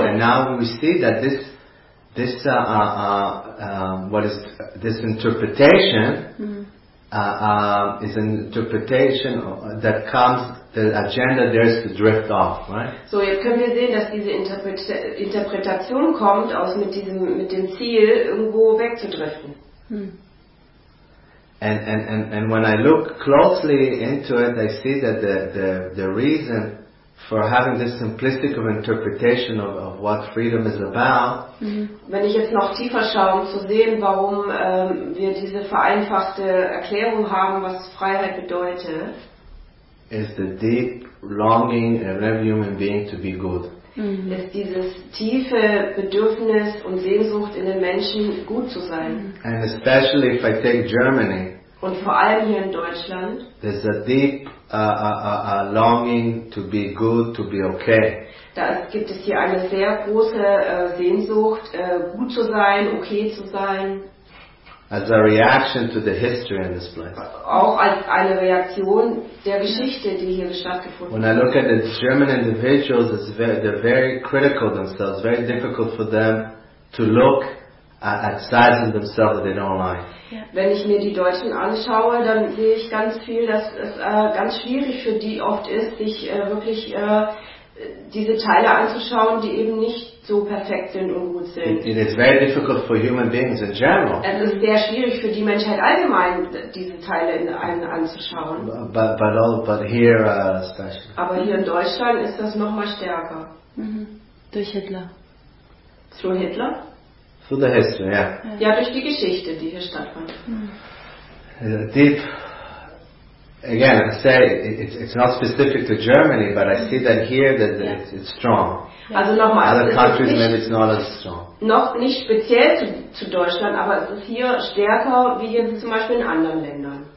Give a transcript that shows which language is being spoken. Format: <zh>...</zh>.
<en>And now we see that this interpretation is an interpretation that comes. The agenda there is to drift off, right?</en> <de>So jetzt können wir sehen, dass diese Interpretation kommt aus mit dem Ziel, irgendwo wegzudriften.</de> <en>And when I look closely into it, I see that the reason for having this simplistic of interpretation of what freedom is about.</en> <de>Wenn ich jetzt noch tiefer schaue, um zu sehen, warum wir diese vereinfachte Erklärung haben, was Freiheit bedeutet.</de> <en>Is the deep longing of every human being to be good. Mm-hmm.</en> <de>Ist dieses tiefe Bedürfnis und Sehnsucht in den Menschen, gut zu sein. Mm-hmm.</de> <en>And especially if I take Germany.</en> <de>Und vor allem hier in Deutschland.</de> <en>There's a deep longing to be good, to be okay.</en> <de>Da gibt es hier eine sehr große Sehnsucht, gut zu sein, okay zu sein.</de> <en>As a reaction to the history in this place.</en> <de>Auch als eine Reaktion der Geschichte, die hier stattgefunden hat.</de> <en>When I look at the German individuals, they're very critical themselves. Very difficult for them to look sizing themselves in their own life.</en> <de>Wenn ich mir die Deutschen anschaue, dann sehe ich ganz viel, dass es ganz schwierig für die oft ist, sich wirklich diese Teile anzuschauen, die eben nicht so perfekt sind und gut sind.</de> <en>It is very difficult for human beings in general.</en> <de>Es ist sehr schwierig für die Menschheit allgemein, diese Teile in einem anzuschauen.</de> <en>But here, especially.</en> <de>Aber hier in Deutschland ist das noch mal stärker. Mhm. Durch Hitler.</de> <en>Through Hitler? Through the history, yeah.</en> <de>Ja, durch die Geschichte, die hier stattfand.</de> <en>Mhm. Deep. Again, I say it's not specific to Germany, but I see that here that it's strong.</en> <de>Also nochmal,</de> <en>other countries maybe it's not as strong.</en> <de>Noch nicht speziell zu Deutschland, aber es ist hier stärker wie hier zum Beispiel in anderen Ländern.</de>